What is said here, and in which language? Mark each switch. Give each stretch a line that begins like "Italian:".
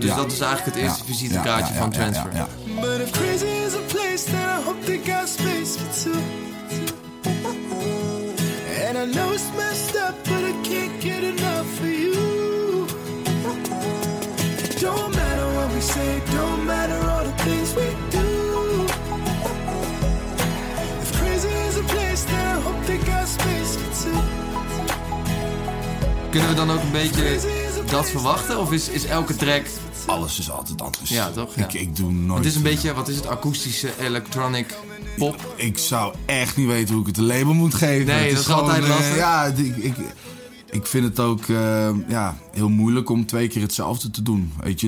Dutch: Dus dat is eigenlijk het eerste visitekaartje van Transfer. Ja.
English: But if crazy is a place, then I hope they got space for two. And I know it's messed up, but I can't get enough for you. Don't matter what we say, don't matter all the things we do. If crazy is a place, then I hope they got space for two.
Dutch: Kunnen we dan ook een beetje dat verwachten? Of is elke track... Alles is altijd anders. Ja, toch? Ik doe nooit... Het is een beetje, wat is het, akoestische, electronic... pop. Ik zou echt niet weten hoe ik het een label moet geven. Nee, dat is gewoon, altijd lastig. Ja, ik vind het ook heel moeilijk om twee keer hetzelfde te doen. Weet je?